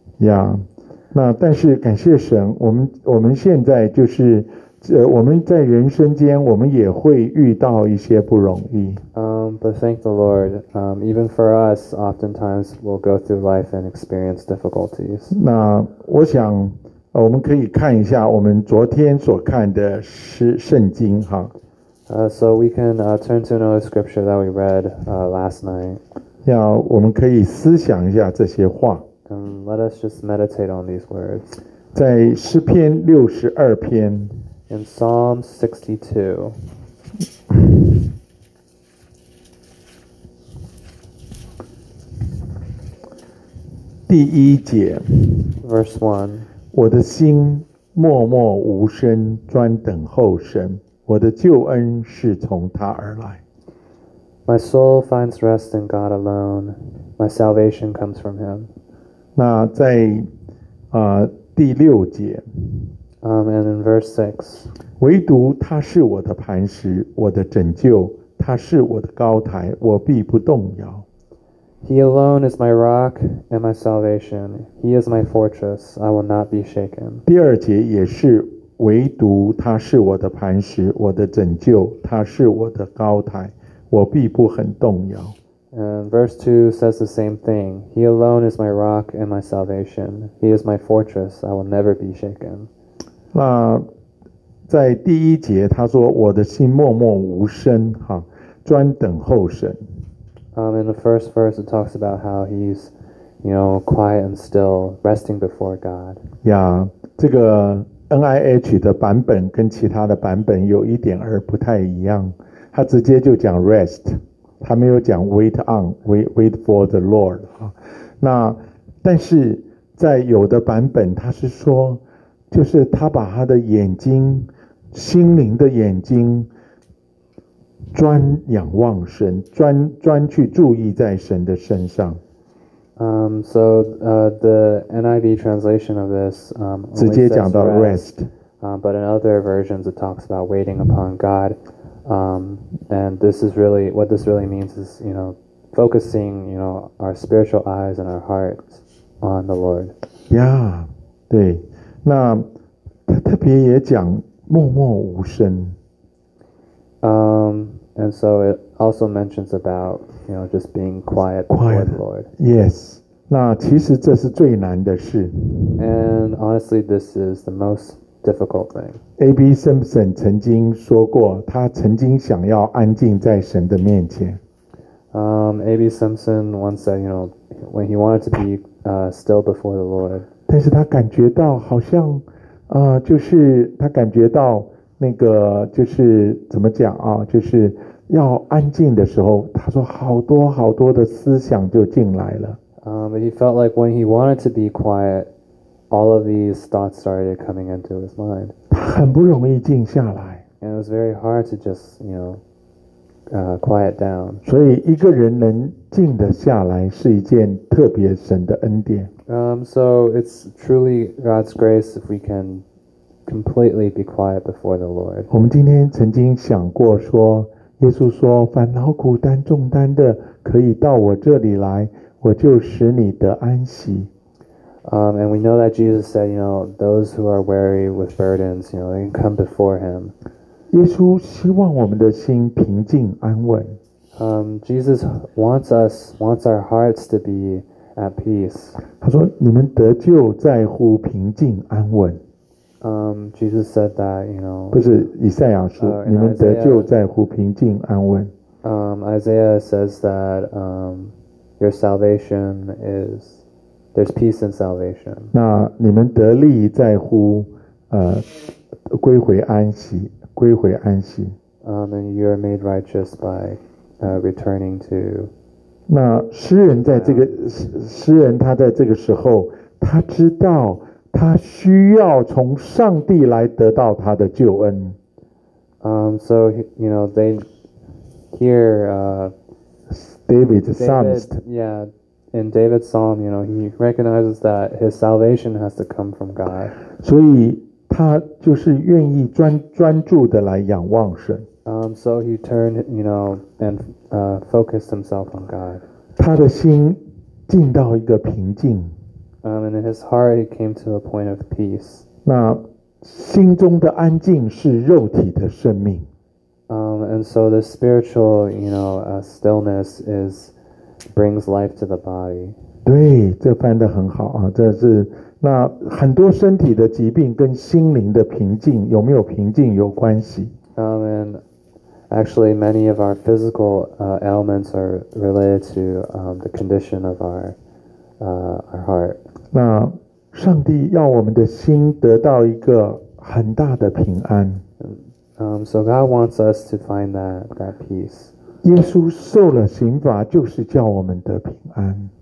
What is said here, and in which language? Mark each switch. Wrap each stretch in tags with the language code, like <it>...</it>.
<en>Yeah.</en> <zh>那但是感谢神，我们现在就是我们在人生间我们也会遇到一些不容易。</zh> <en>But thank the Lord, even for us, oftentimes we'll go through life and experience difficulties.</en> <zh>那我想我们可以看一下我们昨天所看的圣经哈。</zh> <en>So we can turn to another scripture that we read last night.</en> <zh>要我们可以思想一下这些话。</zh> <en>And let us just meditate on these words.</en> <zh>在诗篇六十二篇。</zh> <en>In Psalm 62.</en> <zh>第一节。</zh> <en>Verse 1.</en> <zh>我的心默默无声，专等候神。我的救恩是从他而来。</zh> <en>My soul finds rest in God alone. My salvation comes from him.</en> <zh>那在第六节。</zh> <en>And in verse 6.</en> <zh>唯独他是我的磐石，我的拯救，他是我的高台，我必不动摇。</zh> <en>He alone is my rock and my salvation. He is my fortress. I will not be shaken.</en> <zh>第二节也是唯独他是我的磐石，我的拯救，他是我的高台，我必不很动摇。</zh> <en>And verse 2 says the same thing. He alone is my rock and my salvation. He is my fortress. I will never be shaken.</en> <zh>那在第一节他说我的心默默无声哈，专等候神。</zh> <en>In the first verse, it talks about how he's, you know, quiet and still, resting before God. Yeah,</en> <zh>这个NIH 的版本跟其他的版本有一点而不太一样，他直接就讲 rest， 他没有讲</zh> <en>wait on， wait for the Lord。</en> <zh>那但是在有的版本他是说，就是他把他的眼睛，心灵的眼睛专仰望神，专去注意在神的身上。</zh> <en>The NIV translation of this,</en> <zh>直接讲到 rest.</zh> <en>But in other versions, it talks about waiting upon God. And this is really, what this really means is, you know, focusing, you know, our spiritual eyes and our hearts on the Lord. Yeah,</en> <zh>对。那他特别也讲默默无声。</zh> <en>And so it also mentions about, you know, just being quiet before the Lord. Yes.</en> <zh>那其实这是最难的事。</zh> <en>And honestly, this is the most difficult thing. A.B.</en> <zh>Simpson 曾经说过，他曾经想要安静在神的面前。</zh> <en>A.B. Simpson once said, you know, when he wanted to be still before the Lord.</en> <zh>但是他感觉到好像，就是他感觉到那个就是怎么讲啊，就是要安静的时候，他说好多好多的思想就进来了。</zh> <en>He felt like when he wanted to be quiet, all of these thoughts started coming into his mind.</en> <zh>很不容易静下来。</zh> <en>And it was very hard to just, you know, quiet down.</en> <zh>所以一个人能静得下来是一件特别神的恩典。</zh> <en>So it's truly God's grace if we can completely be quiet before the Lord.</en> <zh>我们今天曾经想过说，耶稣说，烦劳苦担重担的可以到我这里来，我就使你得安息。</zh> <en>And we know that Jesus said, you know, those who are weary with burdens, you know, they can come before him.</en> <zh>耶稣希望我们的心平静安稳。</zh> <en>Jesus wants our hearts to be at peace.</en> <zh>他说，你们得救在乎平静安稳。</zh> <en>Jesus said that, you know,</en> <zh>不是以赛亚说，你们得救在乎平静安稳。</zh> <en>Isaiah says that, your salvation is, there's peace in salvation.</en> <zh>那你们得力在乎，归回安息，归回安息。</zh> <en>And you are made righteous by, returning to.</en> <zh>那诗人在这个诗人他在这个时候，他知道。他需要从上帝来得到他的救恩。</zh> <en>So you know they hear David's psalmist. Yeah, in David's psalm, you know, he recognizes that his salvation has to come from God.</en> <zh>所以他就是愿意专注的来仰望神。</zh> <en>So he turned, you know, and focused himself on God.</en> <zh>他的心进到一个平静。</zh> <en>And in his heart, he came to a point of peace.</en> <zh>那心中的安静是肉体的生命。</zh> <en>And so the spiritual, you know, stillness is brings life to the body.</en> <zh>对，这翻得很好啊，这是那很多身体的疾病跟心灵的平静有没有平静有关系。</zh> <en>And actually, many of our physical ailments are related to the condition of our heart.</en> <zh>那上帝要我们的心得到一个很大的平安。</zh> <en>So God wants us to find that peace.</en> <zh>耶稣受了刑罚，就是叫我们得平安。</zh>